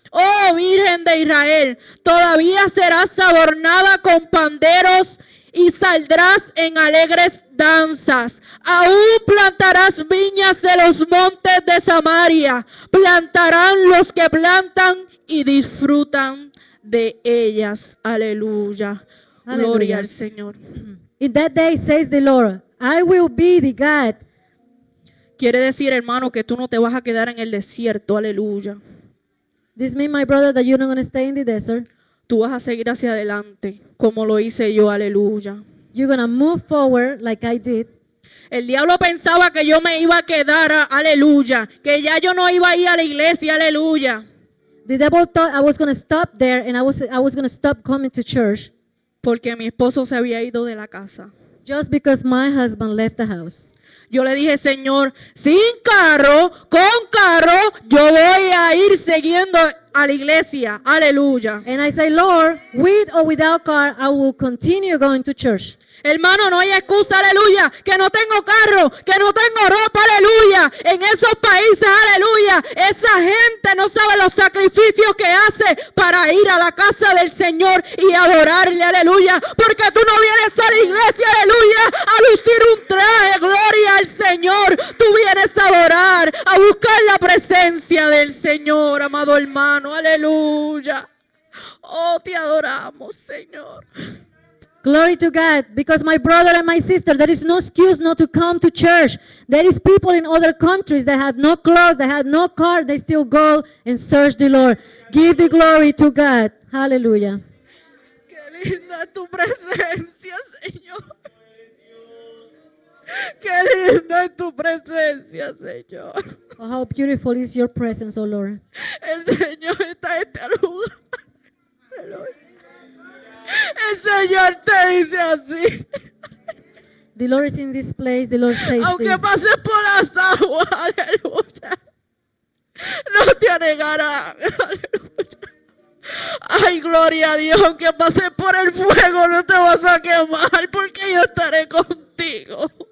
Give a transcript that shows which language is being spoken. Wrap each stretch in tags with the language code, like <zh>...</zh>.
<es>Oh, Virgen de Israel, todavía serás adornada con panderos y saldrás en alegres danzas. Aún plantarás viñas de los montes de Samaria. Plantarán los que plantan y disfrutan de ellas. Aleluya. Aleluya. Gloria al Señor.</es> <en>In that day, says the Lord, I will be the God.</en> <es>Quiere decir, hermano, que tú no te vas a quedar en el desierto. Aleluya.</es> <en>This means, my brother, that you're not going to stay in the desert.</en> <es>Tú vas a seguir hacia adelante, como lo hice yo, aleluya.</es> <en>You're going to move forward like I did.</en> <es>El diablo pensaba que yo me iba a quedar, aleluya. Que ya yo no iba a ir a la iglesia, aleluya.</es> <en>The devil thought I was going to stop there and I was going to stop coming to church.</en> <es>Porque mi esposo se había ido de la casa.</es> <en>Just because my husband left the house.</en> <es>Yo le dije, Señor, sin carro, con carro, yo voy a ir siguiendo a la iglesia. Aleluya.</es> <en>And I say, Lord, with or without car, I will continue going to church.</en> <es>Hermano, no hay excusa, aleluya, que no tengo carro, que no tengo ropa, aleluya. En esos países, aleluya, esa gente no sabe los sacrificios que hace para ir a la casa del Señor y adorarle, aleluya. Porque tú no vienes a la iglesia, aleluya, a lucir un traje, gloria al Señor. Tú vienes a adorar, a buscar la presencia del Señor, amado hermano, aleluya. Oh, te adoramos, Señor.</es> <en>Glory to God, because my brother and my sister, there is no excuse not to come to church. There is people in other countries that have no clothes, they have no car, they still go and search the Lord. Give the glory to God. Hallelujah.</en> <es>Qué linda tu presencia, Señor. Qué linda tu presencia, Señor.</es> <en>How beautiful is your presence, oh Lord.</en> <es>El Señor está en este lugar. El Señor te dice así.</es> <en>The Lord is in this place. The Lord says</en> <es>aunque</es> <en>this.</en> <es>Aunque pases por las aguas, aleluya, no te anegarán. Ay, gloria a Dios. Aunque pases por el fuego, no te vas a quemar, porque yo estaré contigo.</es>